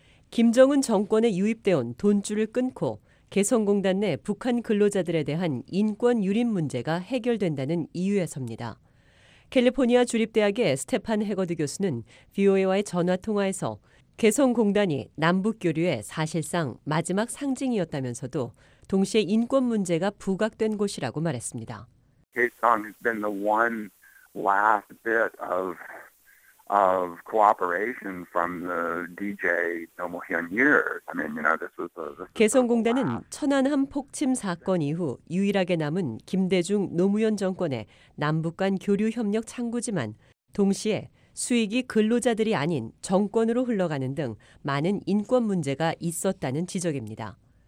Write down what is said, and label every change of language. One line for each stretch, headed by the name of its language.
Korean: 김정은 정권에 유입되어온 돈줄을 끊고 개성공단 내 북한 근로자들에 대한 인권 유린 문제가 해결된다는 이유에서입니다. 캘리포니아 주립대학의 스테판 해거드 교수는 VOA와의 전화통화에서 개성공단이 남북교류의 사실상 마지막 상징이었다면서도 동시에 인권 문제가 부각된 곳이라고 말했습니다.
English: Kaesong has been the one last bit of cooperation from the DJ Nomo Hyun years. I mean, you know, this was the
Korean: 개성공단은 천안함 폭침 사건 이후 유일하게 남은 김대중 노무현 정권의 남북 간 교류 협력 창구지만 동시에 수익이 근로자들이 아닌 정권으로 흘러가는 등 많은 인권 문제가 있었다는 지적입니다.